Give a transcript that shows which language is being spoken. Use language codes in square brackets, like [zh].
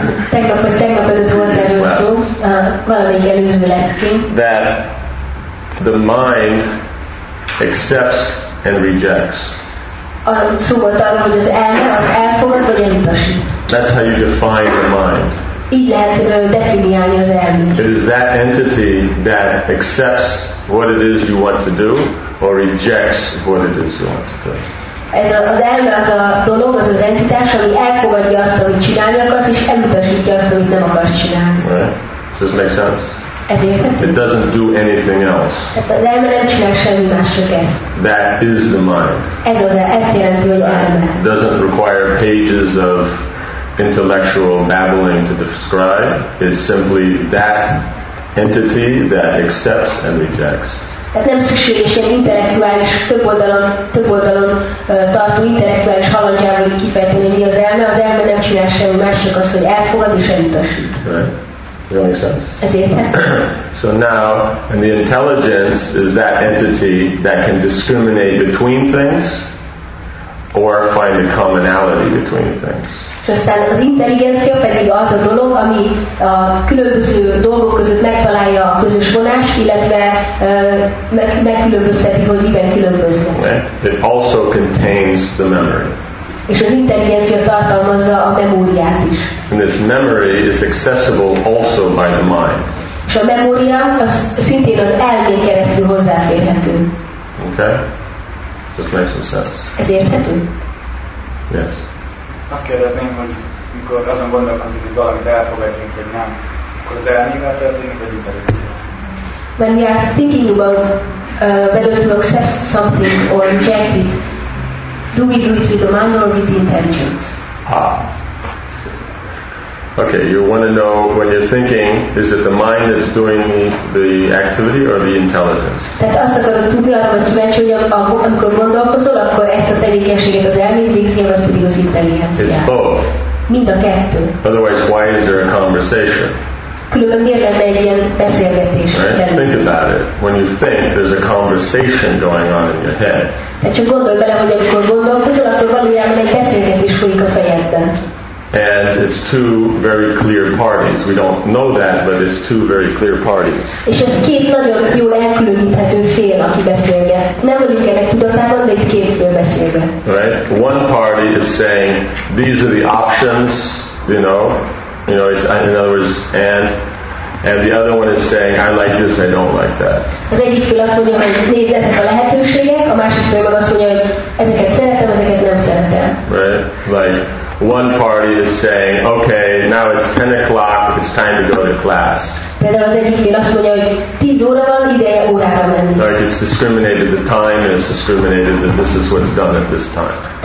[hu] Tegnap előtt volt erről szó, valamelyik előző leckén. [en] That the mind accepts and rejects. [hu] Szó volt arra, hogy az elme, az elfogad vagy elutasít. [en] That's how you define the mind. [hu] Így lehet definiálni az elmét. [en] It is that entity that accepts what it is you want to do, or rejects what it is you want to do. [hu] Ez az elme, az a dolog, az az entitás, ami elfogadja azt, amit csinálni akarsz, és elutasítja azt, amit nem akarsz csinálni. [en] Right. Does this make sense? [hu] Ez így [en] It doesn't do anything else. That is the mind. It doesn't require pages of intellectual babbling to describe. It's simply that entity that accepts and rejects. [hu] Tehát nem szükséges ilyen intellektuális, több oldalon tartó intellektuális halandjából kifejteni, mi az elme. Az elme nem csinál semmi másik, az, hogy elfogad és elutasít. [en] So now, and the intelligence is that entity that can discriminate between things or find a commonality between things. [hu] És aztán az intelligencia pedig az a dolog, ami a különböző dolgok között megtalálja a közös vonást, illetve megkülönbözteti, hogy miben különböznek. [en] Okay. It also contains the memory. [hu] És az intelligencia tartalmazza a memóriát is. [en] And this memory is accessible also by the mind. [hu] És a memória az szintén az elmén keresztül hozzáférhető. [en] Okay. Just make some sense. [hu] Ez érthető? [en] Yes. [hu] Azt kérdezném, hogy mikor azon gondolkozunk, hogy valamit elfogadjunk, vagy nem, akkor az elmével történik, vagy intelligencia? [en] When we are thinking about whether to accept something or reject it, do we do it with the mind or with the intelligence? Ah. Okay, you want to know when you're thinking, is it the mind that's doing the activity or the intelligence? [hu] Tehát azt akarod tudni, hogy kíváncsi, hogy amikor gondolkozol, akkor ezt a tevékenységet az elmét végzi, vagy pedig az intelligenciát. [en] It's both. [hu] Mind a kettő. [en] Otherwise, why is there a conversation? [hu] Különben miért lenne egy ilyen beszélgetés? [en] Right? Think about it. When you think, there's a conversation going on in your head. [hu] Tehát csak gondolj bele, hogy amikor gondolkozol, akkor valójában egy beszélgetés folyik a fejedben. [en] And it's two very clear parties. We don't know that, but it's two very clear parties. [hu] És ez két nagyon jól elkülöníthető fél, aki beszélget. Nem vagyunk ennek tudatában, de itt két fél beszélget. [en] Right? One party is saying, these are the options, you know, it's, in other words, and the other one is saying, I like this, I don't like that. [hu] Az egyik fél azt mondja, hogy nézd, ezek a lehetőségek, a másik fél meg azt mondja, hogy ezeket szeretem, ezeket nem szeretem. [en] Right? Like, one party is saying, okay, now it's 10 o'clock, it's time to go to class. Like it's discriminated the time, and it's discriminated that this is what's done at this time.